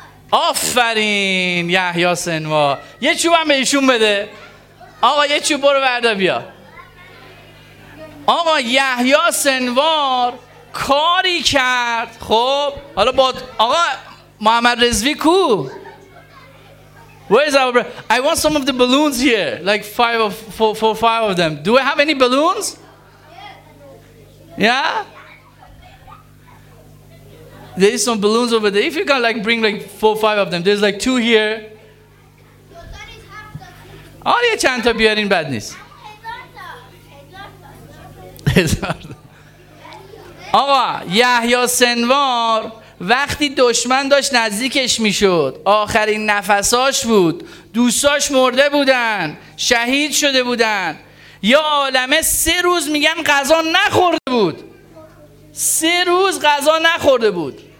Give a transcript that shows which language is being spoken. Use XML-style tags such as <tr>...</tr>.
<fa>آفرین یحیی سنوار. یه چوب هم به ایشون بده. آقا یه چوب برو بردار بیا. آقا یحیی سنوار کاری کرد خب. حالا با آقا محمد رضوی کو.</fa> <en>Where is our I want some of the balloons here, like five of four five of them. Do I have any balloons? Yeah. There is some balloons over there. If you can like bring like four five of them. There's like two here.</en> <fa>آره یه چند تا بیارین بد نیست. آقا یحیی سنوار وقتی دشمن داشت نزدیکش میشد، آخرین نفساش بود، دوستاش مرده بودن، شهید شده بودن، یا عالمه سه روز میگن غذا نخورده بود، سه روز غذا نخورده بود.</fa>